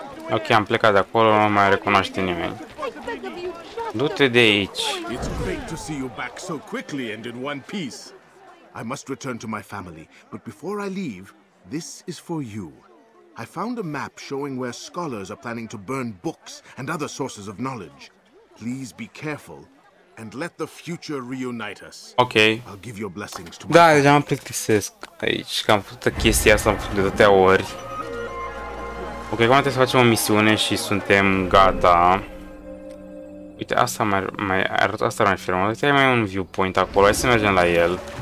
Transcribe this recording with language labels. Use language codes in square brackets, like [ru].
[ro] Ok, am plecat de acolo, nu mai recunoaște nimeni. Du-te de aici. [en] It's great to see you back so quickly and in one piece. I must return to my family, but before I leave, this is for you. I found a map showing where scholars are planning to burn books and other sources of knowledge. Please be careful and let the future reunite us. Okay. I'll give your blessings to me. [ro] Da, deja am plictisesc aici, că am făcut chestia asta de atâtea ori. Ok, acum trebuie să facem o misiune și suntem gata. Uite, asta mai arăt, asta mai firmă. Uite, ai mai un viewpoint acolo, hai să mergem la el.